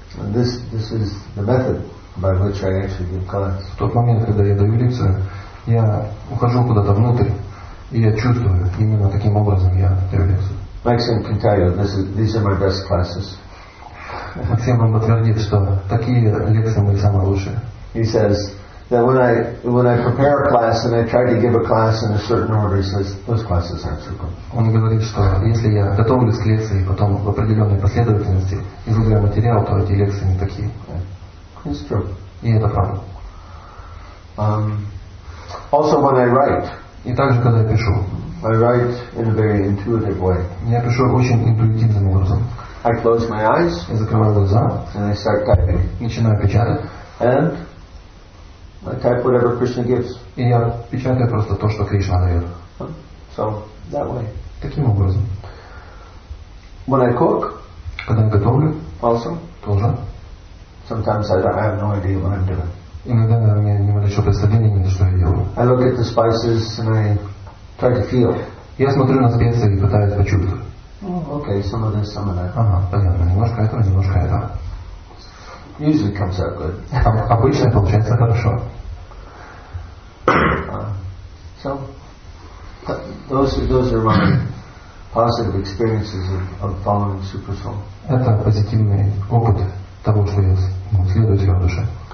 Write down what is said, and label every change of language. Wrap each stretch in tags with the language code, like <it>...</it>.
<en>This is the method by which I actually give class.</en> <ru>В тот момент, когда я даю лекцию, я ухожу куда-то внутрь, и я чувствую именно таким образом я даю лекцию.</ru> <en>Maxim can tell you these are my best classes.</en> <ru>Максим вам подтвердит, что такие лекции мои самые лучшие.</ru> <en>He says that when I prepare a class and I try to give a class in a certain order, he says those classes aren't super.</en> <ru>Он говорит, что если я готовлюсь к лекции потом в определенной последовательности изучаю материал, то эти лекции не такие.</ru> <en>It's true.</en> <ru>И это правда.</ru> <en>Also when I write.</en> <ru>И также когда я пишу.</ru> <en>I write in a very intuitive way.</en> <ru>Я пишу очень интуитивным образом.</ru> <en>I close my eyes.</en> <ru>Я закрываю глаза.</ru> <en>And I start typing.</en> <ru>Начинаю печатать.</ru> <en>And I type whatever Krishna gives.</en> <ru>И я печатаю просто то, что Кришна дает.</ru> <en>So that way.</en> <ru>Таким образом.</ru> <en>When I cook.</en> <ru>Когда я готовлю.</ru> <en>Also.</en> <ru>Тоже.</ru> <en>Sometimes I have no idea what I'm doing.</en> <ru>Иногда у меня не малейшего представления, что я делаю.</ru> <en>I look at the spices and I try to feel.</en> <ru>Я смотрю на специи и пытаюсь почувствовать.</ru> <en>Okay, some of this, some of that.</en> <ru>Ага, понятно. Немножко этого, немножко этого.</ru> <en>Usually comes out good.</en> <ru>Обычно получается хорошо.</ru> <en>So those are my positive experiences of following Super Soul.</en> <ru>Это позитивный опыт того, что я следую своей душе.</ru>